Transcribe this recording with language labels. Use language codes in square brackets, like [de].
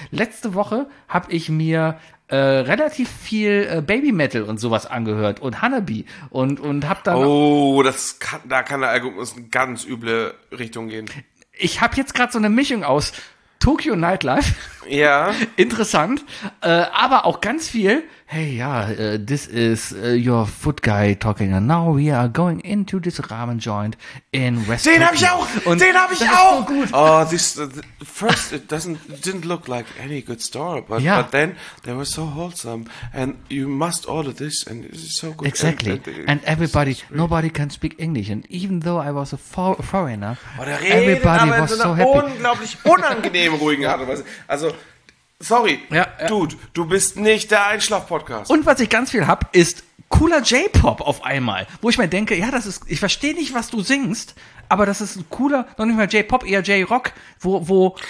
[de] Letzte Woche habe ich mir relativ viel Baby Metal und sowas angehört und Hanabi und habe dann. Oh, da kann der Algorithmus in ganz üble Richtung gehen. Ich habe jetzt gerade so eine Mischung aus Tokyo Nightlife. Ja. Interessant. Aber auch ganz viel. [en] Hey, ja, this is your foot guy talking. And now we are going into this ramen joint in West. [de] Den habe ich auch! Und den habe ich das auch! Ist so gut. [en] Oh, it didn't look like any good store, but then they were so wholesome. And you must order this, and it is so good. Exactly. And everybody, nobody can speak English. And even though I was a foreigner, everybody was so happy. [de] Aber in so einer unglaublich unangenehmen, ruhigen Art. Also. Sorry, ja, Dude, du bist nicht der Einschlaf-Podcast. Und was ich ganz viel hab, ist cooler J-Pop auf einmal. Wo ich mir denke, ja, das ist, ich verstehe nicht, was du singst, aber das ist ein cooler, noch nicht mal J-Pop, eher J-Rock, wo.